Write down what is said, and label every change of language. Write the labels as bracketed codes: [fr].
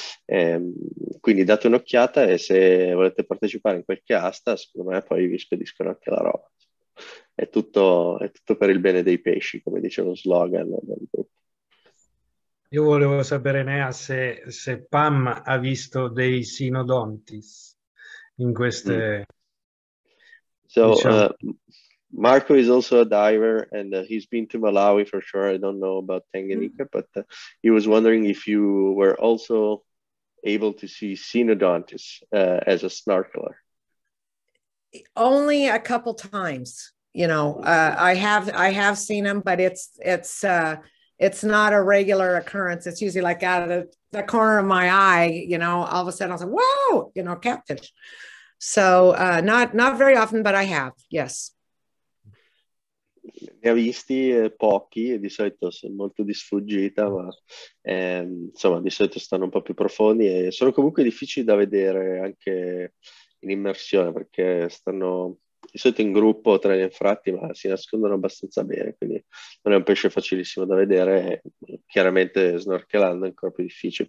[it] Quindi date un'occhiata e se volete partecipare in qualche asta, secondo me poi vi spediscono anche la roba. È tutto per il bene dei pesci, come dice lo slogan del gruppo. Io volevo sapere, Nea, se Pam ha visto dei sinodontis in queste... [en] Marco is also a diver and he's been to Malawi for sure. I don't know about Tanganyika, but he was wondering if you were also able to see sinodontis as a snorkeler. Only a couple times, you know. I have seen them, but it's not a regular occurrence. It's usually like out of the corner of my eye, you know, all of a sudden I was like, whoa, you know, catfish. So not very often, but I have, yes. [it] Ne ha visti pochi, di solito sono molto di sfuggita, ma insomma, di solito stanno un po' più profondi e sono comunque difficili da vedere anche in immersione perché stanno... Di solito in gruppo tra gli anfratti, ma si nascondono abbastanza bene, quindi non è un pesce facilissimo da vedere, chiaramente snorkelando è ancora più difficile.